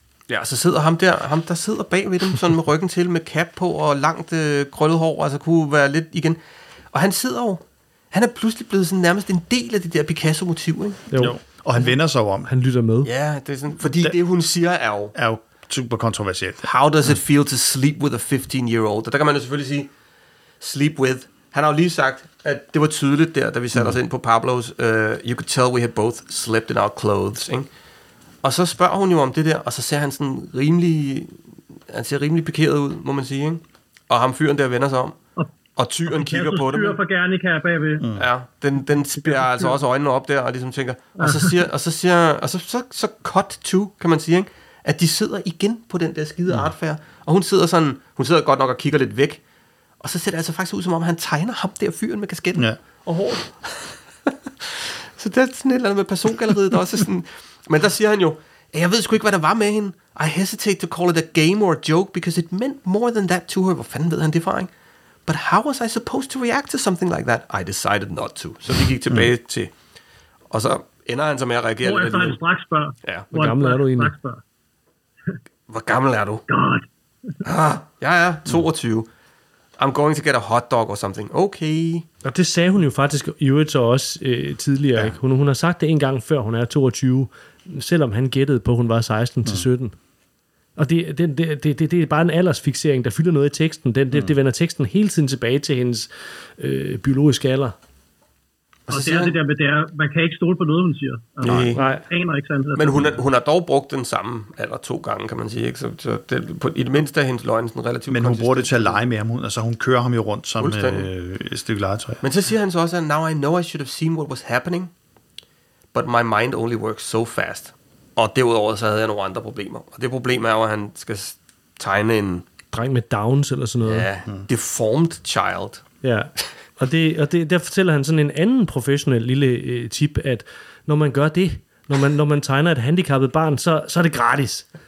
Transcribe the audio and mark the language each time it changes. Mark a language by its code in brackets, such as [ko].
[da] Ja, så sidder ham der sidder bagved dem sådan med ryggen til med cap på og langt krøllet hår, altså kunne være lidt igen. Og han sidder jo. Han er pludselig blevet sådan nærmest en del af det der Picasso-motiv, ikke? Jo. Og han vender sig om. Han lytter med. Ja, det er sådan, fordi det hun siger er jo super kontroversielt. [en] How does it feel to sleep with a 15-year-old? [da] Og der kan man jo selvfølgelig sige, [en] sleep with. [da] Han har jo lige sagt, at det var tydeligt der, da vi satte os ind på Pablo's, [en] you could tell we had both slept in our clothes, [da] ikke? Og så spørger hun jo om det der, og så ser han sådan rimelig, han ser rimelig pikeret ud, må man sige, ikke? Og ham fyren der vender sig om. Og tyren kigger på dem. Og Picasso styrer for Guernica bagved. Mm. Ja, den spiller altså også øjnene op der, og ligesom tænker, og så cut to, kan man sige, ikke? At de sidder igen på den der skide artfærd, og hun sidder godt nok og kigger lidt væk, og så ser det altså faktisk ud, som om han tegner ham der fyren med kasketten og håret. Så det er sådan et eller andet med persongalleriet, der også er sådan, men der siger han jo, jeg ved sgu ikke, hvad der var med hende. [en] I hesitate to call it a game or a joke, because it meant more than that to her. [da] Hvor fanden ved han det fra, ikke? [en] But how was I supposed to react to something like that? I decided not to. [da] Så vi gik tilbage til, og så ender han så med at reagere. Hvor er han straks spørg? Ja. Hvor gammel er du egentlig? Hvor gammel er du? God. Jeg er 22. [en] I'm going to get a hot dog or something. [da] Okay. Og det sagde hun jo faktisk i øvrigt også tidligere. Ja. Ikke? Hun har sagt det en gang før, hun er 22, selvom han gættede på, at hun var 16-17. Og det er bare en aldersfiksering, der fylder noget i teksten. Det vender teksten hele tiden tilbage til hendes biologiske alder. Og det er det der med, det er, man kan ikke stole på noget, hun siger. Altså, nej. Aner ikke sandhed. Men hun har dog brugt den samme alder to gange, kan man sige. Ikke? Så det, på, i det mindste er hendes løgn sådan relativt konsistent. Men hun bruger det til at lege med ham, altså hun kører ham jo rundt som et stykke legetøj. Men så siger han så også, at [en] now I know I should have seen what was happening, but my mind only works so fast. [da] Og derudover så havde jeg nogle andre problemer. Og det problem er jo, at han skal tegne en dreng med Downs eller sådan noget. Ja, [en] deformed child. [da] Ja, og det, der fortæller han sådan en anden professionel lille tip, at når man gør det, når man tegner et handicappet barn, så er det gratis.